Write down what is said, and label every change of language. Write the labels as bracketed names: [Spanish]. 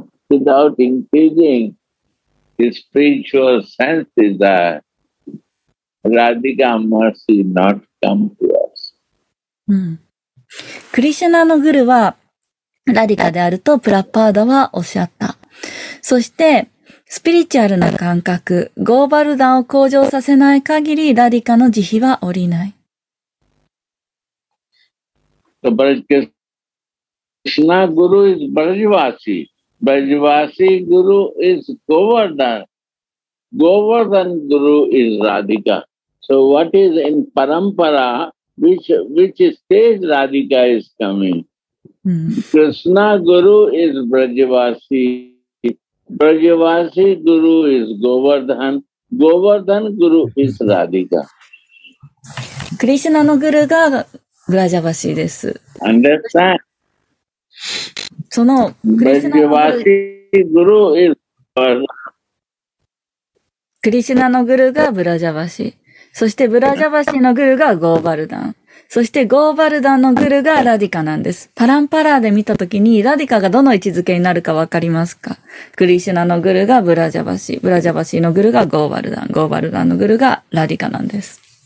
[English] Without increasing his spiritual sense desire, Radhika mercy not come to us. [Japanese] クリシュナのグルはラディカであるとプラッパーダはおっしゃった。そしてスピリチュアルな感覚、ゴーバルダンを向上させない限りラディカの慈悲は降りない。クリシュナグルはブラジワーシー。ブラジワーシーグルはゴーバルダン。ゴーバルダングルはラディカ。 [English] So what is in parampara? Which stage Radhika is coming?、Krishna Guru is Brajavasi. Brajavasi Guru is Govardhan. Govardhan Guru is Radhika. [Japanese] Krishna の Guru が Brajavasi です。 [English] Understand? [Japanese] その [English] Brajavasi Guru is [Japanese] Krishna の Guru が Brajavasi。そして Brajavasi の Guru が Govardhan。そしてゴーバルダンのグルがラディカなんです。パランパラーで見たときにラディカがどの位置づけになるかわかりますか？クリシュナのグルがブラジャバシ、ブラジャバシのグルがゴーバルダン、ゴーバルダンのグルがラディカなんです。